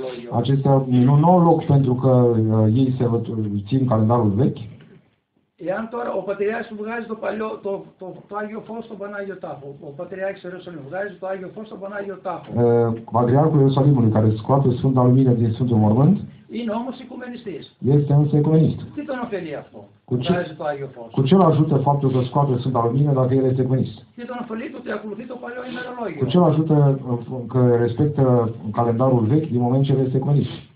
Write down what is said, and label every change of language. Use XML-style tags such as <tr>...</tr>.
<ro>Acestea minuni nu au loc pentru că ei se țin calendarul vechi.</ro> <el>Εάν τώρα ο πατριάρχης βγάζει το Άγιο Φως στον Πανάγιο Τάφο, ο πατριάρχης Ιερουσαλήμ βγάζει το Άγιο Φως στον Πανάγιο Τάφο. Πατριάρχου Ιερουσαλήμου,</el> <ro>care scoate Sfânta Lumină din Sfântul Mormânt,</ro> <el>είναι όμως οικουμενιστής.</el> <ro>Este însă ecumenist.</ro> <el>Τι τον ωφελεί αυτό, βγάζει το Άγιο Φως.</el> <ro>Cu ce l-ajută faptul că scoate Sfânta Lumină dacă el este ecumenist.</ro> <el>Τι τον ωφελεί το ότι ακολουθεί το παλιό ημερολόγιο.</el> <ro>Cu ce l-ajută că respectă calendarul vechi din moment ce este ecumenist.</ro>